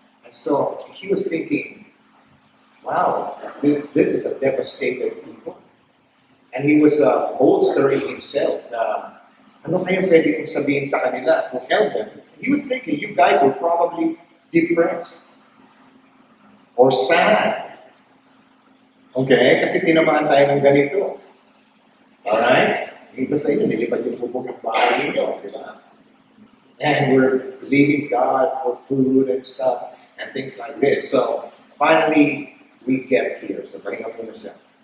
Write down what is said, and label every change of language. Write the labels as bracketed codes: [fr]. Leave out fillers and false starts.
[en] And so he was thinking, wow, this is a devastated people. And he was bolstering himself. [tl] Ano kayo pwede kong sabihin sa kanila [en] to help them? He was thinking, you guys were probably depressed or sad. Okay? [tl] Kasi tinamaan tayo ng ganito. Alright? Iba sa inyo, nilipad yung bubong ng bahay ninyo, di ba? [en] And we're believing God for food and stuff and things like this. So, finally, we get here. So, bring up [tl] yung [en] reception.